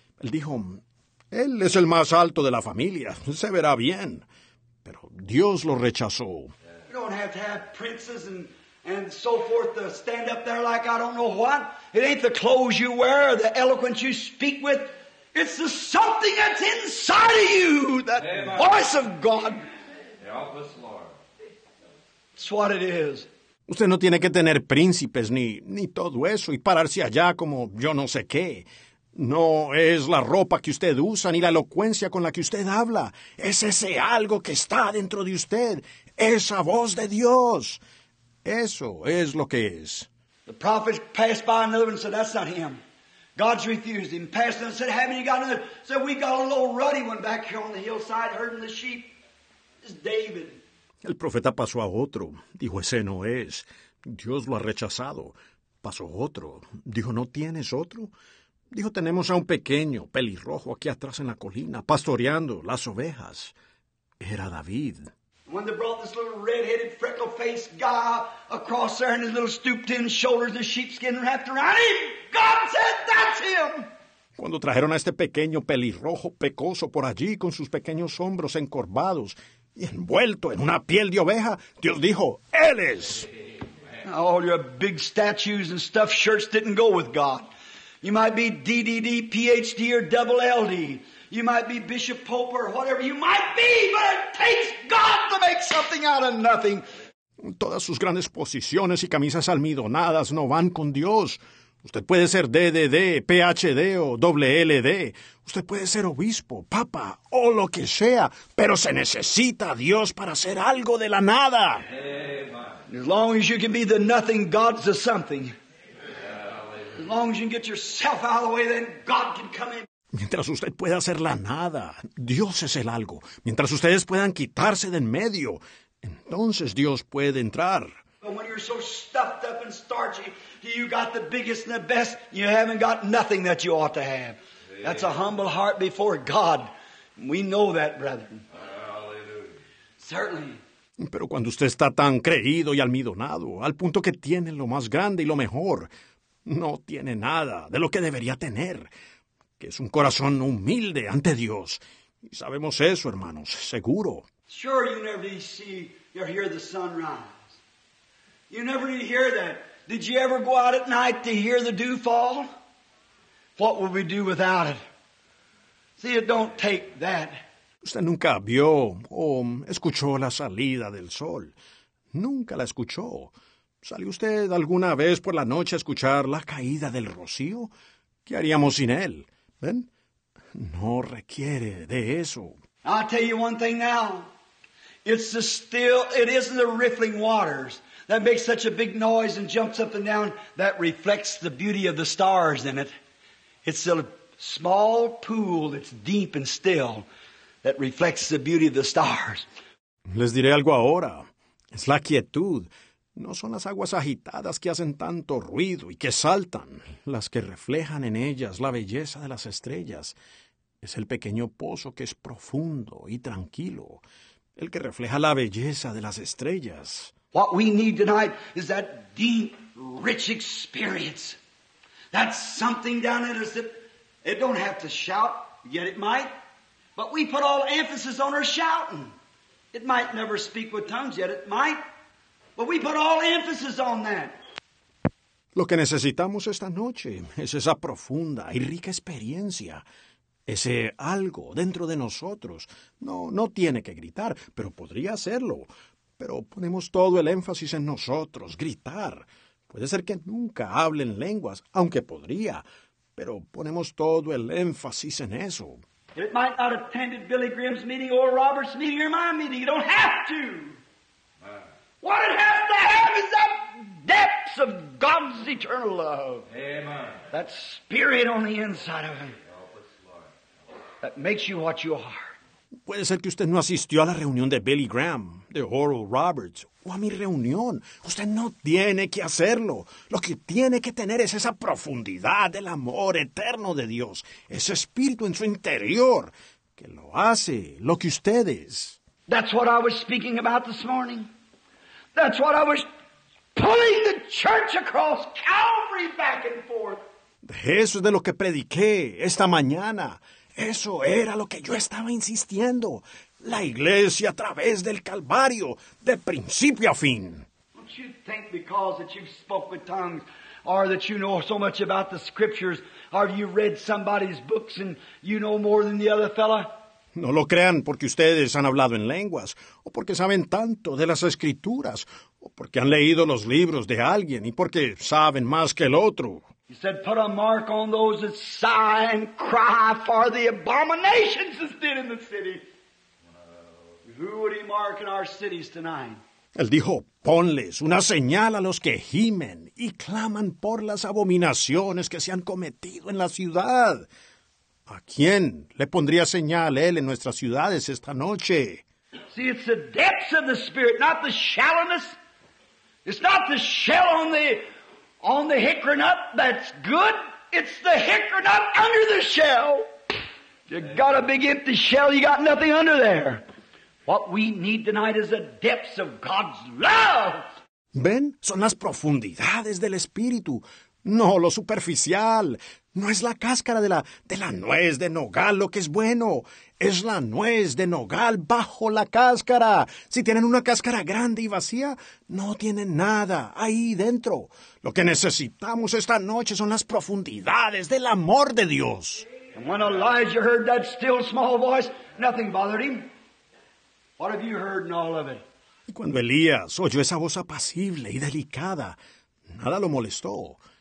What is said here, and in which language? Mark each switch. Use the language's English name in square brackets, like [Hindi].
[Spanish] Él dijo, él es el más alto de la familia. Se verá bien. Pero Dios lo rechazó. [English] You don't have to have princes and so forth to stand up there like I don't know what. It ain't the clothes you wear or the eloquence you speak with. It's the something that's inside of you, that Amen. Voice of God. Help us, Lord. It's what it is. [Spanish] Usted no tiene que tener príncipes ni todo eso y pararse allá como yo no sé qué. No es la ropa que usted usa ni la elocuencia con la que usted habla. Es ese algo que está dentro de usted. Esa voz de Dios. Eso es lo que es. [English] The prophet passed by another one and said, that's not him. God's refused him. Passed and said, haven't you got another? Said, we got a little ruddy one back here on the hillside herding the sheep. It's David. [Spanish] El profeta pasó a otro. Dijo, ese no es. Dios lo ha rechazado. Pasó otro. Dijo, ¿no tienes otro? Dijo, tenemos a un pequeño pelirrojo aquí atrás en la colina, pastoreando las ovejas. Era David. [English] When they brought this little red-headed, freckle-faced guy across there and his little stooped-in shoulders and sheepskin wrapped around him, God said, that's him! [Spanish] Cuando trajeron a este pequeño pelirrojo pecoso por allí con sus pequeños hombros encorvados y envuelto en una piel de oveja, Dios dijo, él es. [English] All your big statues and stuffed shirts didn't go with God. You might be DDD, PhD, or double LD. You might be Bishop Pope or whatever you might be, but it takes God to make something out of nothing. [Spanish] Todas sus grandes posiciones y camisas almidonadas no van con Dios. Usted puede ser DDD, PhD o WLD. Usted puede ser obispo, papa o lo que sea, pero se necesita a Dios para hacer algo de la nada. [English] Amen. As long as you can be the nothing, God's the something. As long as you can get yourself out of the way, then God can come in. [Spanish] Mientras usted pueda hacer la nada, Dios es el algo. Mientras ustedes puedan quitarse de en medio, entonces Dios puede entrar. [English] But when you're so stuffed up and starchy, you got the biggest and the best, you haven't got nothing that you ought to have. Amen. That's a humble heart before God. We know that, brethren. Hallelujah. Certainly. [Spanish] Pero cuando usted está tan creído y almidonado, al punto que tiene lo más grande y lo mejor, no tiene nada de lo que debería tener. Que es un corazón humilde ante Dios. Y sabemos eso, hermanos, seguro. [English] Sure, you never see or hear the sunrise. You never need to hear that. Did you ever go out at night to hear the dew fall? What would we do without it? See, it don't take that. [Spanish] Usted nunca vio o escuchó la salida del sol. Nunca la escuchó. ¿Salió usted alguna vez por la noche a escuchar la caída del rocío? ¿Qué haríamos sin él? ¿Ven? No requiere de eso. [English] I'll tell you one thing now. It isn't the rippling waters that makes such a big noise and jumps up and down that reflects the beauty of the stars in it. It's a small pool that's deep and still that reflects the beauty of the stars. [Spanish] Les diré algo ahora. Es la quietud. No son las aguas agitadas que hacen tanto ruido y que saltan, las que reflejan en ellas la belleza de las estrellas. Es el pequeño pozo que es profundo y tranquilo, el que refleja la belleza de las estrellas. [English] What we need tonight is that deep, rich experience. That's something down in us that it don't have to shout, yet it might. But we put all emphasis on our shouting. It might never speak with tongues, yet it might. But we put all emphasis on that. [Spanish] Lo que necesitamos esta noche es esa profunda y rica experiencia. Ese algo dentro de nosotros. No tiene que gritar, pero podría hacerlo. Pero ponemos todo el énfasis en nosotros, gritar. Puede ser que nunca hablen lenguas, aunque podría, pero ponemos todo el énfasis en eso. [English] It might not have attended Billy Graham's meeting or Robert's meeting or my meeting. You don't have to. What it has to have is that depths of God's eternal love. Amen. That spirit on the inside of him. That makes you what you are. [Spanish] Puede ser que usted no asistió a la reunión de Billy Graham, de Oral Roberts, o a mi reunión. Usted no tiene que hacerlo. Lo que tiene que tener es esa profundidad del amor eterno de Dios, ese espíritu en su interior, que lo hace lo que usted es. [English] That's what I was speaking about this morning. That's what I was pulling the church across Calvary back and forth. [Spanish] Eso es de lo que prediqué esta mañana. Eso era lo que yo estaba insistiendo. La iglesia a través del Calvario, de principio a fin. [English] Don't you think because that you've spoken with tongues, or that you know so much about the scriptures, or you read somebody's books and you know more than the other fella? [Spanish] No lo crean porque ustedes han hablado en lenguas, o porque saben tanto de las escrituras, o porque han leído los libros de alguien, y porque saben más que el otro. [English] He said, put a mark on those that sigh and cry for the abominations that's been in the city. Who would he mark in our cities tonight? [Spanish] Él dijo, ponles una señal a los que gimen y claman por las abominaciones que se han cometido en la ciudad. ¿A quién le pondría señal él en nuestras ciudades esta noche? [English] See, it's the depths of the spirit, not the shallowness. It's not the shell on the... on the hickory nut, that's good. It's the hickory nut under the shell. You got a big empty shell, you got nothing under there. What we need tonight is the depths of God's love. [Spanish] Ven, son las profundidades del Espíritu. No lo superficial. No es la cáscara de la nuez de nogal lo que es bueno. Es la nuez de nogal bajo la cáscara. Si tienen una cáscara grande y vacía, no tienen nada ahí dentro. Lo que necesitamos esta noche son las profundidades del amor de Dios. [English] And when Elijah heard that still small voice, nothing bothered him. What have you heard in all of it? [Spanish] Y cuando Elías oyó esa voz apacible y delicada, nada lo molestó.